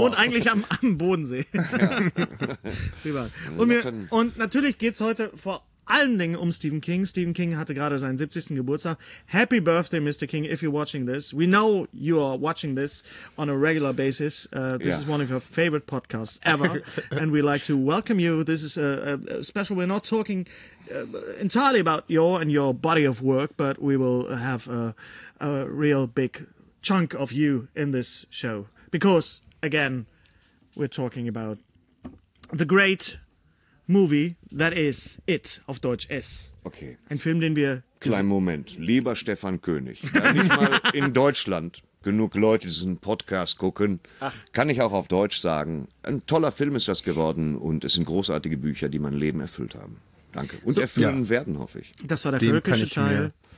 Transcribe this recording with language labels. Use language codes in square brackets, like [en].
[de] Wohnt eigentlich am Bodensee. Ja. Prima. Und natürlich geht es heute vor allen Dingen um Stephen King. Stephen King hatte gerade seinen 70. Geburtstag. [en] Happy birthday, Mr. King, if you're watching this. We know you are watching this on a regular basis. This is one of your favorite podcasts ever. And we'd like to welcome you. This is a special. We're not talking entirely about your and your body of work, but we will have a real big chunk of you in this show. Because, again, we're talking about the great movie, that is it, [de] auf Deutsch [en] S. Okay. [de] Ein Film, den wir... Kleinen Moment. Lieber Stefan König, wenn nicht mal in Deutschland genug Leute diesen Podcast gucken, kann ich auch auf Deutsch sagen, ein toller Film ist das geworden und es sind großartige Bücher, die mein Leben erfüllt haben. Danke. Und so, erfüllen werden, hoffe ich. Das war der völkische Teil.